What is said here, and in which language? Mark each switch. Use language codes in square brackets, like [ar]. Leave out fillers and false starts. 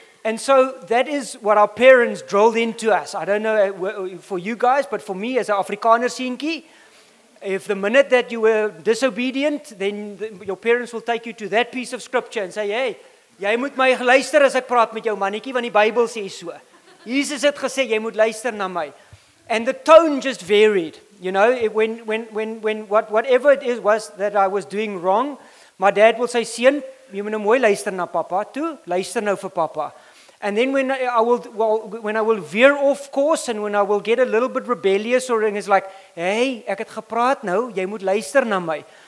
[en] And so that is what our parents drilled into us. I don't know for you guys, but for me as an Afrikaner seentjie, if the minute that you were disobedient, then your parents will take you to that piece of scripture and say, hey, [af] jy moet my luister as ek praat met jou mannetjie, want die Bybel sê so. Jesus het gesê, jy moet luister na my. [en] And the tone just varied. You know, whatever it was that I was doing wrong, my dad will say, [af] seun, jy moet nou mooi luister na papa toe, luister nou vir papa. [en] And then when I will veer off course and when I will get a little bit rebellious or it's like, hey, [af] ek het gepraat nou, jy moet luister na my.